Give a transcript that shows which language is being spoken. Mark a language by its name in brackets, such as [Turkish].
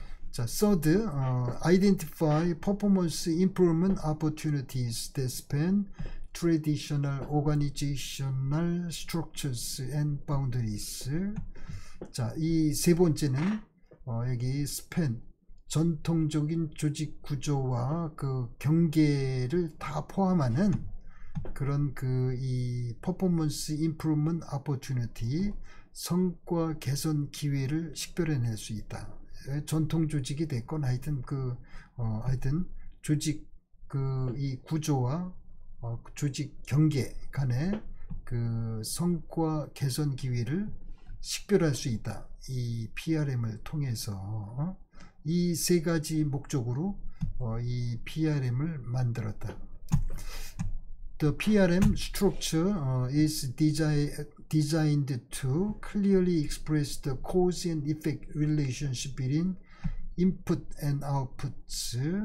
[English] 자, third, identify performance improvement opportunities that span traditional organizational structures and boundaries. [Korean] 자, 이세 번째는 여기 span. 전통적인 조직 구조와 그 경계를 다 포함하는 그런 그이 퍼포먼스 임프루먼트 오퍼튜니티 성과 개선 기회를 식별해낼 수 있다. 전통 조직이 됐건 하여튼 그 하여튼 조직 그이 구조와 조직 경계 간의 그 성과 개선 기회를 식별할 수 있다. 이 PRM을 통해서. 이세 가지 목적으로 이 PRM을 만들었다. [English] The PRM structure is designed to clearly express the cause and effect relationship between input and outputs.